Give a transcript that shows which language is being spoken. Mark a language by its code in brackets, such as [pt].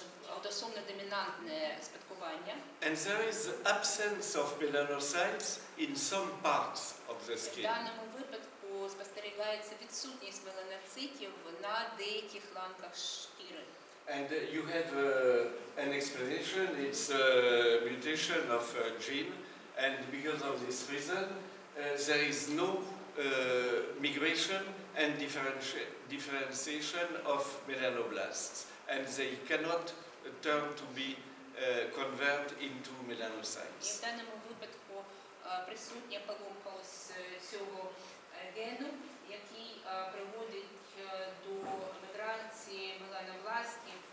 [uk] Аутосомне домінантне спадкування. [en] And there is absence of melanocytes in some parts of the skin. [uk] В даному випадку спостерігається відсутність меланоцитів на деяких ланках шкіри. [en] And you have an explanation, it's a mutation of a gene, and because of this reason, there is no migration and differentiation of melanoblasts, and they cannot turn to be converted into melanocytes. [uk] В даному випадку присутня поломка ось цього гену, який приводить до міграції меланобластів.